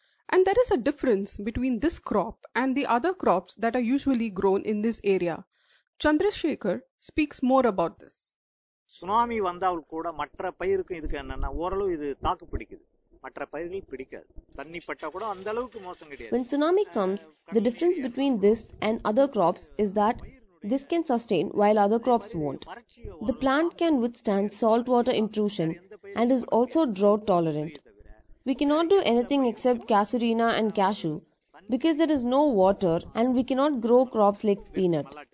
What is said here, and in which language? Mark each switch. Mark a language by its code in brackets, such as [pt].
[en] And there is a difference between this crop and the other crops that are usually grown in this area. Chandrashekhar speaks more about this. [ta] Tsunami வந்தால் கூட மற்ற பயிருக்கும் இதுக்கு என்னன்னா ஓரளவு இது தாக்கு பிடிக்குது மற்ற பயிர்கள் பிடிக்காது தண்ணி பட்டா கூட அந்த அளவுக்கு மோசம் கிடையாது [en] When tsunami comes, the difference between this and other crops is that this can sustain while other crops won't. The plant can withstand salt water intrusion and is also drought tolerant. We cannot do anything except casuarina and cashew because there is no water and we cannot grow crops like peanut.